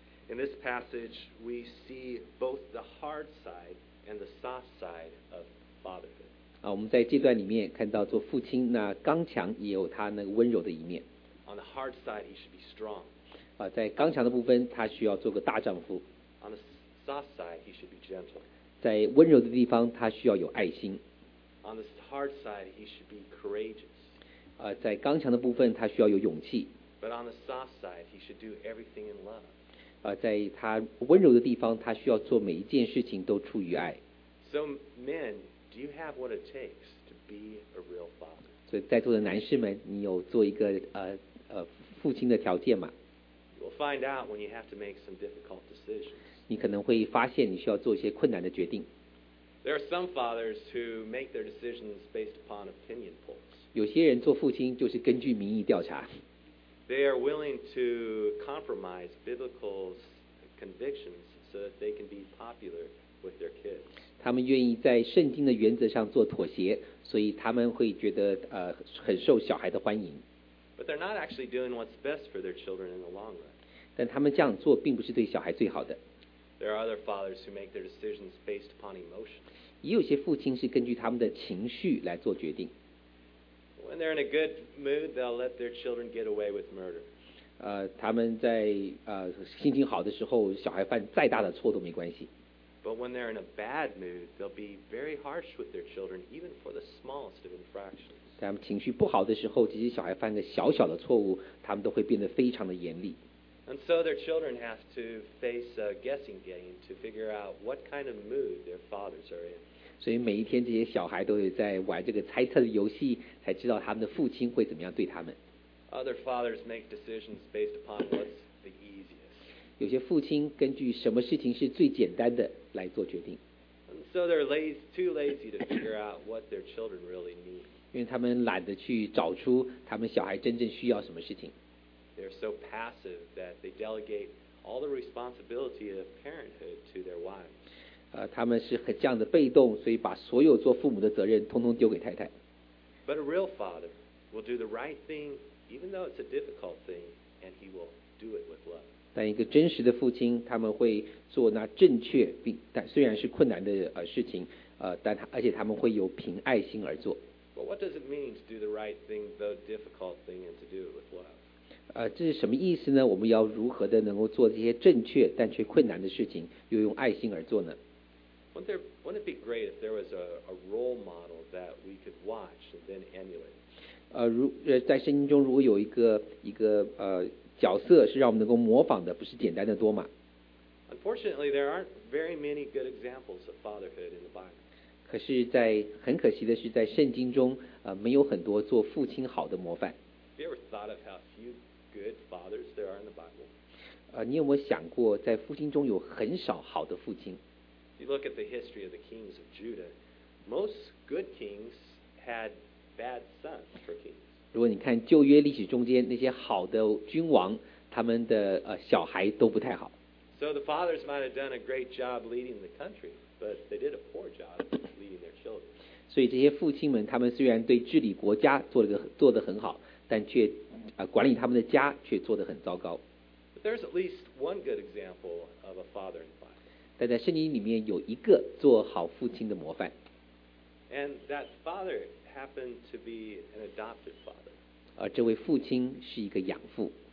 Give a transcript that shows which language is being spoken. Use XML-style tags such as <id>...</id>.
<en>In this passage, we see both the hard side and the soft side of fatherhood.</en> <zh>我们在这段里面看到做父亲那刚强也有他那个温柔的一面。</zh> <en>On the hard side, he should be strong.</en> <zh>在刚强的部分，他需要做个大丈夫。</zh> <en>On the soft side, he should be gentle.</en> <zh>在温柔的地方，他需要有爱心。</zh> <en>On the hard side, he should be courageous.</en> <zh>在刚强的部分，他需要有勇气。</zh> <en>But on the soft side, he should do everything in love.</en> <zh>在他温柔的地方，他需要做每一件事情都出于爱。</zh> <en>So men, do you have what it takes to be a real father?</en> <zh>所以在座的男士们，你有做一个父亲的条件吗？</zh> <en>You'll find out when you have to make some difficult decisions.</en> <zh>你可能会发现你需要做一些困难的决定。</zh> <en>There are some fathers who make their decisions based upon opinion polls.</en> <zh>有些人做父亲就是根据民意调查。</zh> <en>They are willing to compromise biblical convictions so that they can be popular with their kids.</en> <zh>他们愿意在圣经的原则上做妥协，所以他们会觉得很受小孩的欢迎。</zh> <en>But they're not actually doing what's best for their children in the long run.</en> <zh>但他们这样做并不是对小孩最好的。</zh> <en>There are other fathers who make their decisions based upon emotion.</en> <zh>也有些父亲是根据他们的情绪来做决定。</zh> <en>When they're in a good mood, they'll let their children get away with murder.</en> <zh>他们在心情好的时候，小孩犯再大的错都没关系。</zh> <en>But when they're in a bad mood, they'll be very harsh with their children, even for the smallest of infractions.</en> <zh>在他们情绪不好的时候，即使小孩犯个小小的错误，他们都会变得非常的严厉。</zh> <en>And so their children have to face a guessing game to figure out what kind of mood their fathers are in.</en> <zh>所以每一天，这些小孩都有在玩这个猜测的游戏。才知道他们的父亲会怎么样对他们。</zh> <en>Other fathers make decisions based upon what's the easiest.</en> <zh>有些父亲根据什么事情是最简单的来做决定。</zh> <en>And so they're lazy, too lazy to figure out what their children really need.</en> <zh>因为他们懒得去找出他们小孩真正需要什么事情。</zh> <en>They're so passive that they delegate all the responsibility of parenthood to their wives.</en> <zh>他们是很这样的被动，所以把所有做父母的责任通通丢给太太。</zh> <en>But a real father will do the right thing, even though it's a difficult thing, and he will do it with love.</en> <zh>但一个真实的父亲，他们会做那正确并但虽然是困难的事情，但而且他们会有凭爱心而做。</zh> <en>But what does it mean to do the right thing, though difficult thing, and to do it with love?</en> <zh>这是什么意思呢？我们要如何的能够做这些正确但却困难的事情，又用爱心而做呢？</zh> <en>Wouldn't it be great if there was a role model that we could watch and then emulate?</en> <zh>在圣经中如果有一个角色是让我们能够模仿的，不是简单的多吗？</zh> <en>Unfortunately, there aren't very many good examples of fatherhood in the Bible.</en> <zh>可是在很可惜的是，在圣经中没有很多做父亲好的模范。</zh> <en>Have you ever thought of how few good fathers there are in the Bible?</en> <zh>你有没有想过在父亲中有很少好的父亲？</zh> <en>If you look at the history of the kings of Judah, most good kings had bad sons for kings.</en> <zh>如果你看旧约历史中间那些好的君王，他们的小孩都不太好。</zh> <en>So the fathers might have done a great job leading the country, but they did a poor job leading their children.</en> <zh>所以这些父亲们，他们虽然对治理国家做得很好，但却管理他们的家却做得很糟糕。</zh> <en>But there's at least one good example of a father in the Bible.</en> <zh>但在圣经里面有一个做好父亲的模范。</zh> <en>And that father happened to be an adopted father.</en> <zh>而这位父亲是一个养父。</zh>